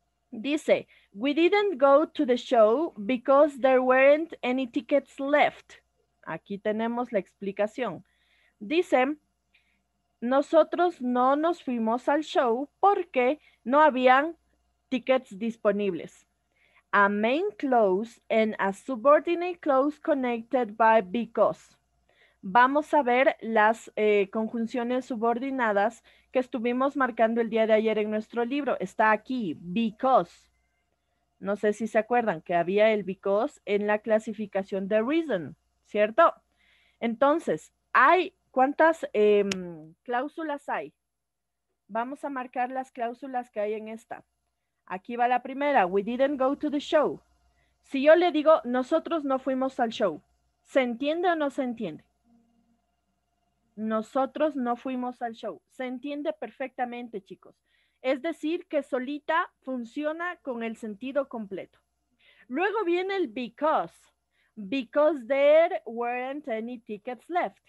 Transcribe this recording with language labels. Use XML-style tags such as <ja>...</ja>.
<es>Dice,</es> <en>we didn't go to the show because there weren't any tickets left.</en> <es>Aquí tenemos la explicación. Dice, nosotros no nos fuimos al show porque no habían tickets disponibles.</es> <en>A main clause and a subordinate clause connected by because.</en> <es>Vamos a ver las conjunciones subordinadas que estuvimos marcando el día de ayer en nuestro libro. Está aquí, because. No sé si se acuerdan que había el because en la clasificación de reason, ¿cierto? Entonces, hay ¿cuántas cláusulas hay? Vamos a marcar las cláusulas que hay en esta. Aquí va la primera,</es> <en>we didn't go to the show.</en> <es>Si yo le digo, nosotros no fuimos al show, ¿se entiende o no se entiende? Nosotros no fuimos al show. Se entiende perfectamente, chicos. Es decir, que solita funciona con el sentido completo. Luego viene el because.</es> <en>Because there weren't any tickets left.</en>